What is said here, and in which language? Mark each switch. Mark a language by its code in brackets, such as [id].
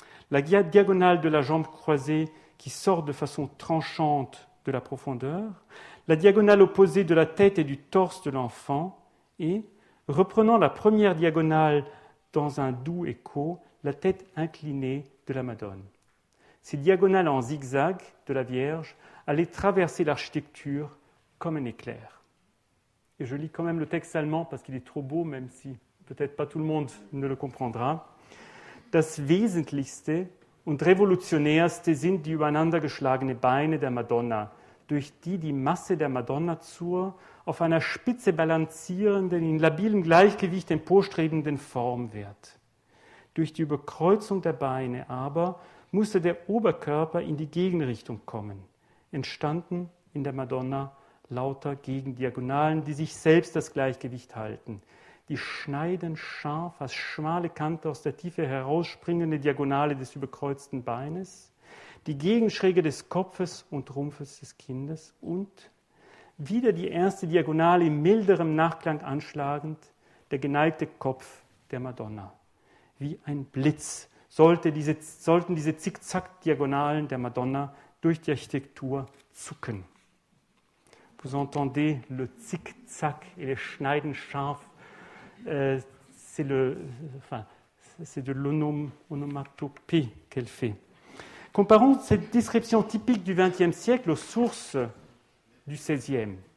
[fr] La diagonale de la jambe croisée qui sort de façon tranchante de la profondeur, la diagonale opposée de la tête et du torse de l'enfant et, reprenant la première diagonale dans un doux écho, la tête inclinée de la Madone. Ces diagonales en zigzag de la Vierge allaient traverser l'architecture comme un éclair. Et je lis quand même le texte allemand parce qu'il est trop beau, même si peut-être pas tout le monde ne le comprendra. [de] « Das Wesentlichste und Revolutionärste sind die übereinandergeschlagene Beine der Madonna, durch die die Masse der Madonna zur auf einer spitze balancierenden, in labilem Gleichgewicht emporstrebenden Form wird. Durch die Überkreuzung der Beine aber musste der Oberkörper in die Gegenrichtung kommen. Entstanden in der Madonna lauter Gegendiagonalen, die sich selbst das Gleichgewicht halten. Die schneiden scharf als schmale Kante aus der Tiefe herausspringende Diagonale des überkreuzten Beines, die Gegenschräge des Kopfes und Rumpfes des Kindes und wieder die erste Diagonale im milderen Nachklang anschlagend, der geneigte Kopf der Madonna. Wie ein Blitz sollten diese Zickzack-Diagonalen der Madonna durch die Architektur zucken. [fr] Vous entendez le Zickzack et le [de] schneiden scharf. [fr] C'est de l'onomatopée qu'elle fait. Comparons cette description typique du XXe siècle aux sources du XVIe.